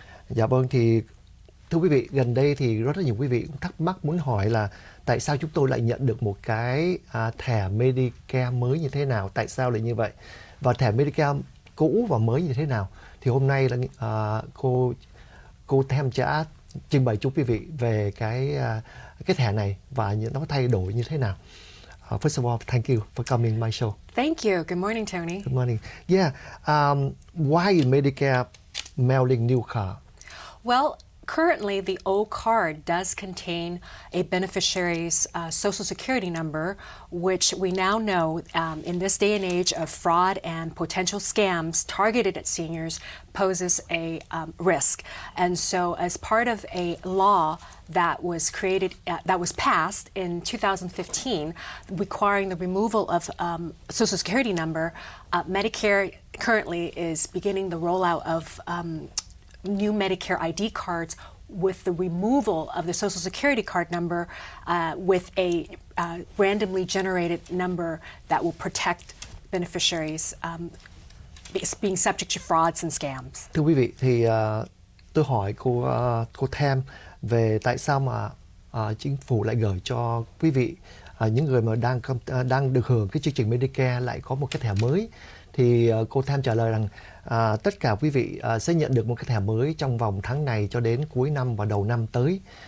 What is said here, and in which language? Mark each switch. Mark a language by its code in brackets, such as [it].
[vi] Dạ vâng, thì thưa quý vị, gần đây thì rất là nhiều quý vị cũng thắc mắc muốn hỏi là tại sao chúng tôi lại nhận được một cái thẻ MediCare mới như thế nào, tại sao lại như vậy? Và thẻ MediCare cũ và mới như thế nào? Thì hôm nay là cô Tam sẽ trình bày cho quý vị về cái thẻ này và nó thay đổi như thế nào. [en] First of all, thank you for coming to my show. Thank you. Good morning, Tony. Good morning. Why is MediCare mailing new car? Well, currently the old card does contain a beneficiary's social security number, which we now know in this day and age of fraud and potential scams targeted at seniors poses a risk. And so as part of a law that was created, that was passed in 2015, requiring the removal of social security number, Medicare currently is beginning the rollout of new Medicare ID cards with the removal of the social security card number with a randomly generated number that will protect beneficiaries being subject to frauds and scams. [vi] Thưa quý vị, thì tôi hỏi cô Tam về tại sao mà chính phủ lại gửi cho quý vị những người mà đang được hưởng cái chương trình Medicare lại có một cái thẻ mới. Thì cô Tam trả lời rằng tất cả quý vị sẽ nhận được một cái thẻ mới trong vòng tháng này cho đến cuối năm và đầu năm tới.